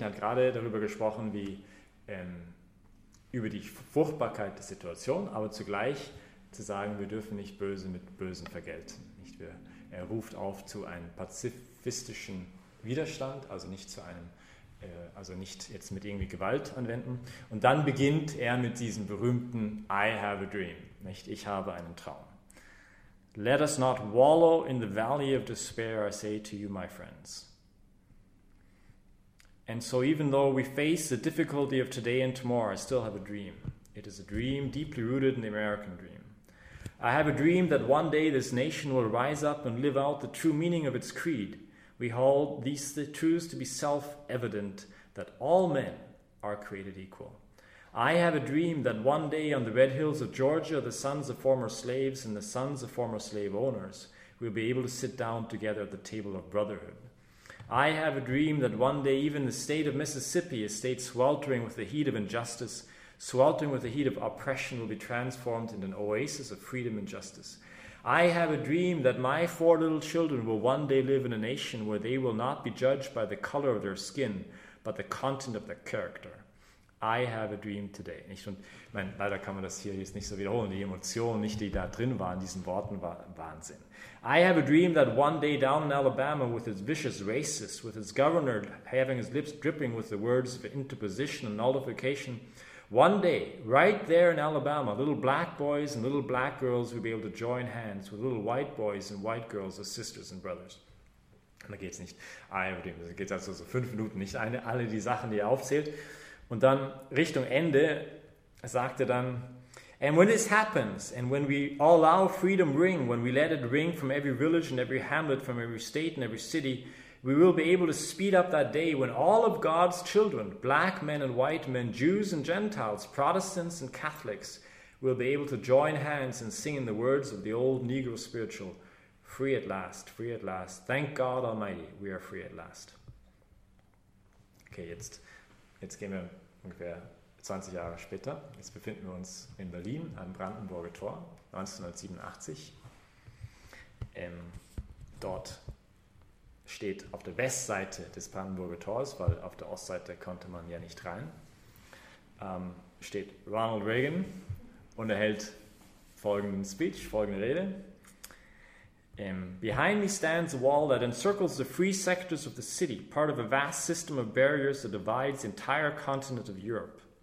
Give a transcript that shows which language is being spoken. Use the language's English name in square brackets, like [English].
[German] Er hat gerade darüber gesprochen, wie über die Furchtbarkeit der Situation, aber zugleich zu sagen, wir dürfen nicht Böse mit Bösen vergelten. Nicht? Er ruft auf zu einem pazifistischen Widerstand, also nicht zu einem, also nicht jetzt mit irgendwie Gewalt anwenden. Und dann beginnt er mit diesem berühmten [English] I have a dream. [German] Nicht? Ich habe einen Traum. [English] Let us not wallow in the valley of despair, I say to you, my friends. And so even though we face the difficulty of today and tomorrow, I still have a dream. It is a dream deeply rooted in the American dream. I have a dream that one day this nation will rise up and live out the true meaning of its creed. We hold these truths to be self-evident, that all men are created equal. I have a dream that one day on the red hills of Georgia, the sons of former slaves and the sons of former slave owners will be able to sit down together at the table of brotherhood. I have a dream that one day even the state of Mississippi, a state sweltering with the heat of injustice, sweltering with the heat of oppression, will be transformed into an oasis of freedom and justice. I have a dream that my four little children will one day live in a nation where they will not be judged by the color of their skin, but the content of their character. I have a dream today. [German] Nicht? Und mein, leider kann man das hier jetzt nicht so wiederholen. Die Emotionen, nicht, die da drin waren, diesen Worten, war Wahnsinn. [English] I have a dream that one day down in Alabama with its vicious racist, with its governor having his lips dripping with the words of interposition and nullification, one day, right there in Alabama, little black boys and little black girls will be able to join hands with little white boys and white girls as sisters and brothers. [German] Und da geht es nicht. [English] I have a dream. [German] Da geht es also so fünf Minuten, nicht eine, alle die Sachen, die er aufzählt. Und dann Richtung Ende sagt er dann, [English] and when this happens, and when we allow freedom ring, when we let it ring from every village and every hamlet, from every state and every city, we will be able to speed up that day when all of God's children, black men and white men, Jews and Gentiles, Protestants and Catholics, will be able to join hands and sing in the words of the old Negro spiritual, free at last, free at last. Thank God Almighty, we are free at last. [German] Okay, jetzt gehen wir ungefähr 20 Jahre später. Jetzt befinden wir uns in Berlin am Brandenburger Tor, 1987. Dort steht auf der Westseite des Brandenburger Tors, weil auf der Ostseite konnte man ja nicht rein, steht Ronald Reagan und erhält folgenden Speech, folgende Rede. [English] Behind me stands a wall that encircles the three sectors of the city, part of a vast system of barriers that divides the entire continent of Europe.